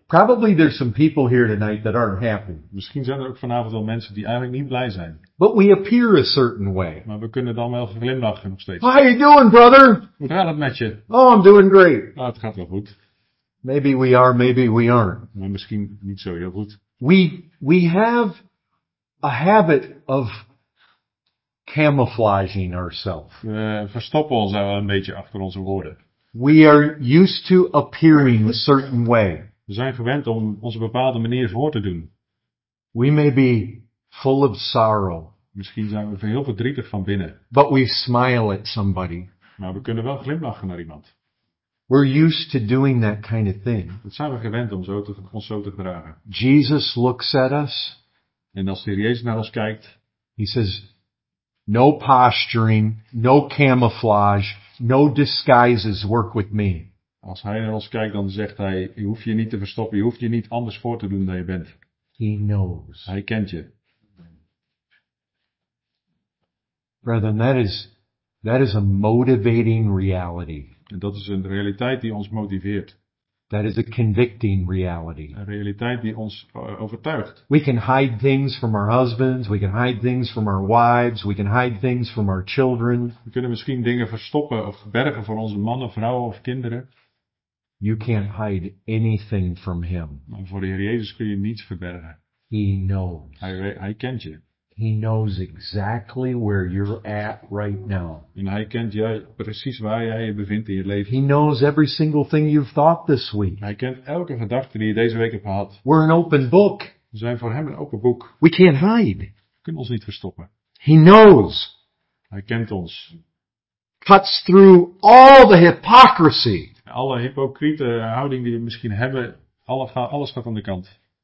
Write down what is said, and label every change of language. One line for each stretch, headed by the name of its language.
English: Probably there's some people here tonight that aren't happy.
Dutch: Misschien zijn er ook vanavond wel mensen die eigenlijk niet blij zijn.
English: But we appear a certain way.
Dutch: Maar we kunnen dan wel glimlachen nog steeds.
English: How are you doing, brother?
Dutch: Hoe gaat het met je?
English: Oh, I'm doing great.
Dutch: Nou, het gaat wel goed.
English: Maybe we are, maybe we aren't.
Dutch: Maar misschien niet zo heel goed.
English: We have a habit of camouflaging ourselves.
Dutch: We verstoppen ons wel een beetje achter onze woorden.
English: We are used to appearing a certain way.
Dutch: We zijn gewend om onze bepaalde manier voor te doen.
English: We may be full of sorrow.
Dutch: Misschien zijn we heel verdrietig van binnen.
English: But we smile at somebody.
Dutch: Maar we kunnen wel glimlachen naar iemand.
English: We're used to doing that kind of thing.
Dutch: Dat zijn we gewend om ons zo te gedragen.
English: Jesus looks at us.
Dutch: En als de Heer Jezus naar ons kijkt.
English: He says, no posturing, no camouflage, no disguises work with me.
Dutch: Als hij naar ons kijkt, dan zegt hij, je hoeft je niet te verstoppen, je hoeft je niet anders voor te doen dan je bent.
English: He knows.
Dutch: Hij kent je.
English: Brethren, that is a motivating reality.
Dutch: En dat is een realiteit die ons motiveert.
English: That is a convicting reality.
Dutch: Een realiteit die ons overtuigt.
English: We can hide things from our husbands, we can hide things from our wives, we can hide things from our children.
Dutch: We kunnen misschien dingen verstoppen of verbergen voor onze mannen, vrouwen of kinderen.
English: You can't hide anything from him.
Dutch: Maar voor de Heer Jezus kun je niets verbergen.
English: He knows.
Dutch: Hij kent je.
English: He knows exactly where you're at right now.
Dutch: En hij kent precies waar jij je bevindt in je leven.
English: He knows every single thing you've thought this week.
Dutch: Hij kent elke gedachte die je deze week hebt gehad.
English: We're an open book.
Dutch: We zijn voor hem een open boek.
English: We can't hide.
Dutch: We kunnen ons niet verstoppen.
English: He knows.
Dutch: Hij kent ons.
English: Cuts through all the hypocrisy.
Dutch: Alle hypocriete houding die we misschien hebben, alles gaat aan de kant.